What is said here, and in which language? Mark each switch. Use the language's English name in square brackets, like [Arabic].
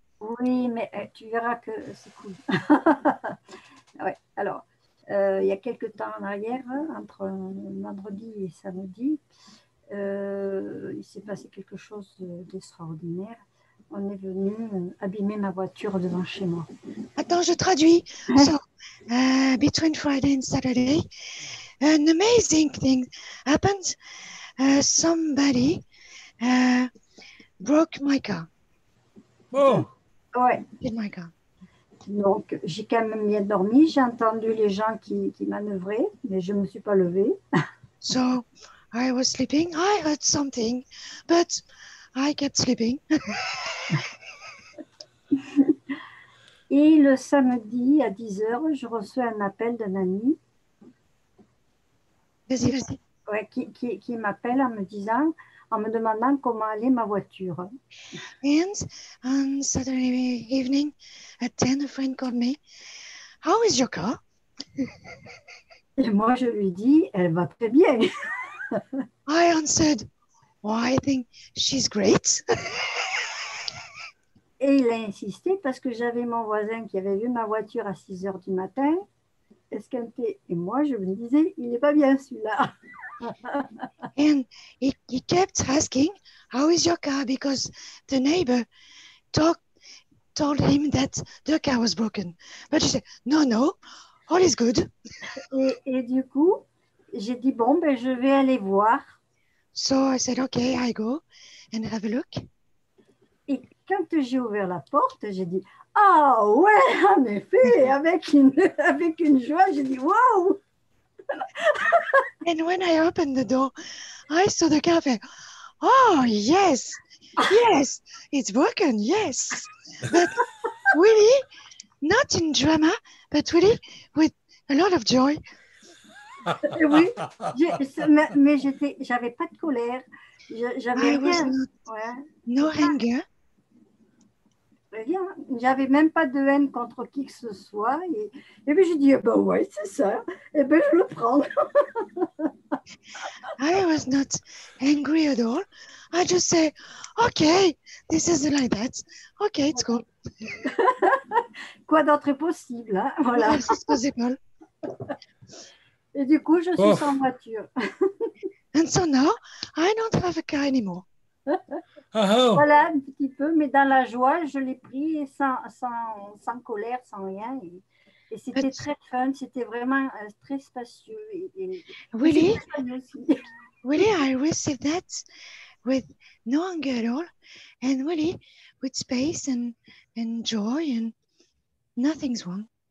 [French] Oui, mais tu verras que c'est cool. Ouais. Alors, il y a quelques temps en arrière, entre vendredi et samedi, il s'est passé quelque chose d'extraordinaire. On est venu abîmer ma voiture devant chez moi. Attends, je traduis. [English] So, between Friday and Saturday, an amazing thing happened. Somebody broke my car. Oh! [French] Ouais. [English] Did my car. [French] Donc, j'ai quand même bien dormi. J'ai entendu les gens qui manœuvraient, mais je ne me suis pas levée. [English] So, I was sleeping. I heard something, but I kept sleeping. [French] Et le samedi à 10h, je reçois un appel d'un ami. Vas-y, vas-y. Ouais, qui m'appelle en me demandant comment allait ma voiture. [English] And on Saturday evening, at 10, a friend called me. How is your car? [French] Et moi, je lui dis, elle va très bien. [English] I answered, well, I think she's great. [French] Et il a insisté parce que j'avais mon voisin qui avait vu ma voiture à 6h du matin. Est-ce qu'elle était... Et moi, je me disais, il n'est pas bien celui-là. [English] And he kept asking, how is your car? Because the neighbor told him that the car was broken. But she said, no, no, all is good. [French] Et du coup, j'ai dit, bon, ben, je vais aller voir. [English] So I said, okay, I go and have a look. [French] Et quand j'ai ouvert la porte, j'ai dit, ah, oh, ouais, en effet, avec une joie, j'ai dit, wow. [English] And when I opened the door, I saw the car. Oh, yes, yes, it's broken, yes. But really, not in drama, but really with a lot of joy. [French] Oui, mais j'avais pas de colère. J'avais rien. [English] Ouais. No anger. [French] Rien. J'avais même pas de haine contre qui que ce soit. Et puis j'ai dit, eh ben ouais, c'est ça. Et ben je le prends. [English] I was not angry at all. I just say, OK, this is like that. OK, it's cool. [French] Quoi d'autre est possible, hein? Voilà. [English] It's possible. [French] Et du coup, je suis oh. sans voiture. [English] And so now, I don't have a car anymore. Oh. [French] Voilà un petit peu, mais dans la joie, je l'ai pris sans colère, sans rien. Et c'était But très fun, c'était vraiment très spacieux. [English] Willie, I received that with no anger at all, and really with space and joy, and nothing's wrong.